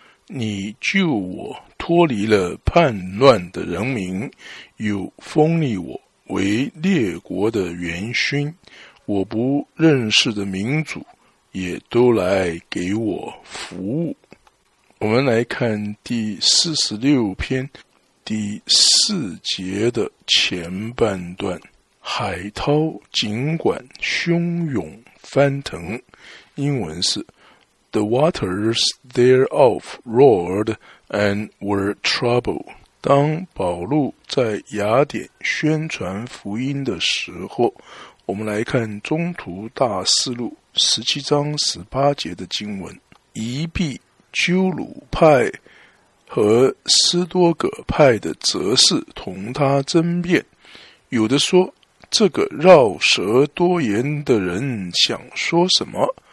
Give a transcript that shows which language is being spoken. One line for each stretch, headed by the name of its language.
Chinese: 你救我脱离了叛乱的人民，又封立我为列国的元勋，我不认识的民族也都来给我服务。我们来看第46篇第4节的前半段。海涛尽管汹涌翻腾，英文是
English: The waters thereof roared and were troubled。
Chinese: 当保禄在雅典宣传福音的时候，我们来看中途大事录17章18节的经文。一臂鸠鲁派和斯多葛派的哲士同他争辩，有的说，这个绕舌多言的人想说什么？